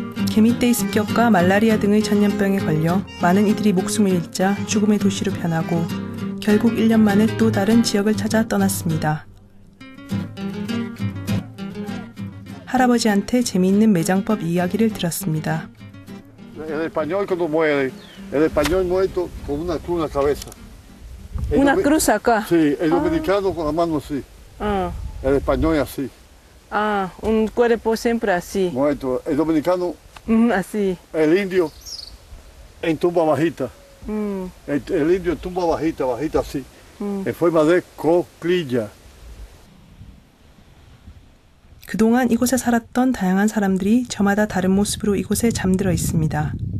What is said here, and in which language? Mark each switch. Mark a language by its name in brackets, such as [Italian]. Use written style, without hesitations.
[Korean] 개미떼의 습격과 말라리아 등의 전염병에 걸려 많은 이들이 목숨을 잃자 죽음의 도시로 변하고 결국 1년 만에 또 다른 지역을 찾아 떠났습니다. 할아버지한테 재미있는 매장법 이야기를 들었습니다. [Spanish] El español cuando muere, el español muere con una cruz en la cabeza. Una cruz acá. Sí, el dominicano con la mano así. El español es así. Ah, un cuerpo siempre así. Muerto. El dominicano. Así. El indio en tumba bajita. El indio en tumba bajita, bajita así. En forma de coclilla. [Korean] 그동안 이곳에 살았던 다양한 사람들이 저마다 다른 모습으로 이곳에 잠들어 있습니다.